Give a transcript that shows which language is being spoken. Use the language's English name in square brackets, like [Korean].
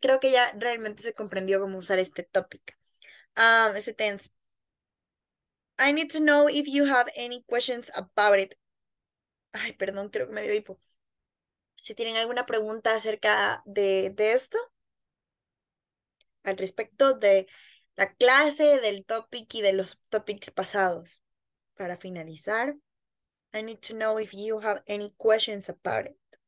[Spanish] Creo que ya realmente se comprendió cómo usar este topic. Ese tense. [English] I need to know if you have any questions about it. [Spanish] Ay, perdón, creo que me dio hipo. Si tienen alguna pregunta acerca de esto. Al respecto de la clase, del topic y de los topics pasados. Para finalizar, [English] I need to know if you have any questions about it.